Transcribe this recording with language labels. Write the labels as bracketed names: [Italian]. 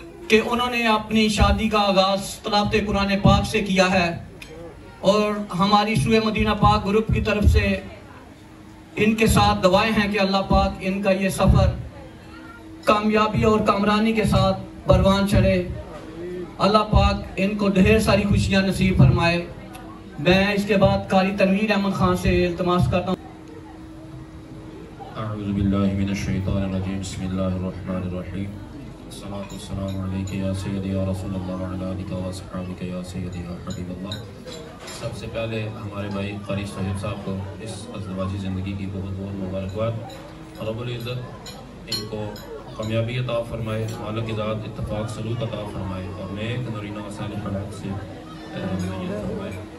[Hindi] कि उन्होंने अपनी शादी का आगाज तलावत कुरान पाक से किया है और हमारी शुए मदीना पाक ग्रुप की तरफ से इनके साथ दुआएं हैं कि अल्लाह पाक इनका ये सफ़र कामयाबी और कामरानी के साथ परवान चढ़े, अल्लाह पाक इनको ढेर सारी खुशियां नसीब फरमाए। मैं इसके बाद कारी तनवीर अहमद खान से इल्तमास करता हूँ। [Arabic] أعوذ بالله من الشيطان الرجيم بسم الله الرحمن الرحيم الصلاة والسلام عليك يا سيدي يا رسول الله وعلى آلك وأصحابك يا سيدي يا حبيب الله। [Hindi] सबसे पहले हमारे भाई क़ारी सोहेब साहब को इस अज़दवाजी ज़िंदगी की बहुत बहुत मुबारकबाद। रब्बुल इज़्ज़त इनको कामयाबी अता फरमाए, मालिक ज़ात इत्तेफ़ाक़ सलूक अता फरमाए और नेक नरीना सालिह हलाक से फरमाए।